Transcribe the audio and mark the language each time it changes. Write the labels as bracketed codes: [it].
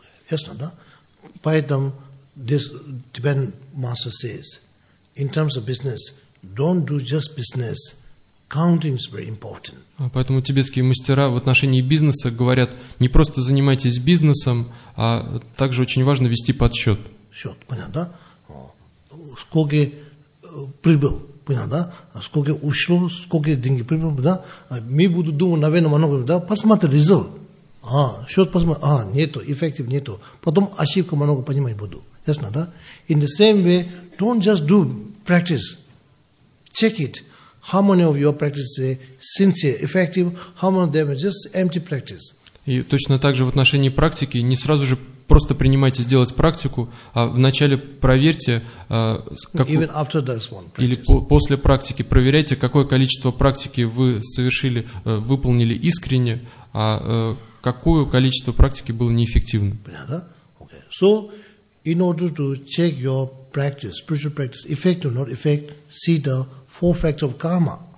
[ru] Ясно, да? Поэтому [en] this Tibetan master says, in terms of business, don't do just business. Counting is very important. [ru] Поэтому тибетские мастера в отношении бизнеса говорят, не просто занимайтесь бизнесом, а также очень важно вести подсчет. Счет, понятно, да? Сколько прибыл, понятно, да? Сколько ушло, сколько деньги прибыл, да? Мы будем думать, наверное, много, да? Посмотри, result. Счет посмотри, нету, эффектив нету. Потом ошибку много понимать буду. Ясно, да? [en] In the same way, don't just do practice. Check it. How many of your practices are sincere, effective? How many of them are just empty practice? [ru] И точно так же в отношении практики не сразу же просто принимайте сделать практику, а вначале проверьте, [en] Even after this one, [ru] или после практики проверяйте, какое количество практики вы совершили, выполнили искренне, а какое количество практики было неэффективным. Понятно? Okay. [en] So, in order to check your practice, spiritual practice, effective or not effective, see the four factors of karma.